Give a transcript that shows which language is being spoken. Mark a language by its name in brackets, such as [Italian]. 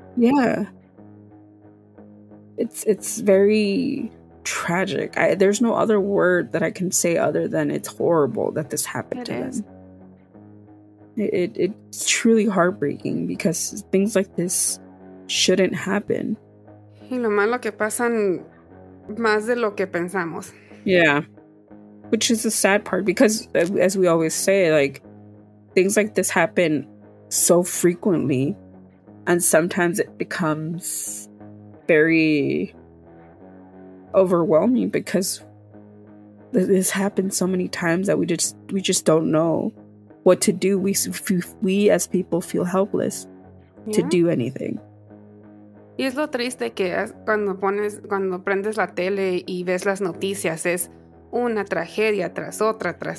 [English] Yeah. It's very tragic. There's no other word that I can say other than it's horrible that this happened to them. It's truly heartbreaking because things like this shouldn't happen. [Spanish] Y lo malo que pasan más de lo que pensamos. [English] Yeah. Which is the sad part because, as we always say, like, things like this happen so frequently and sometimes it becomes very overwhelming because this happens so many times that we just don't know what to do. We as people feel helpless to do anything. [Spanish] Y es lo triste que cuando prendes la tele y ves las noticias es una tragedia tras otra.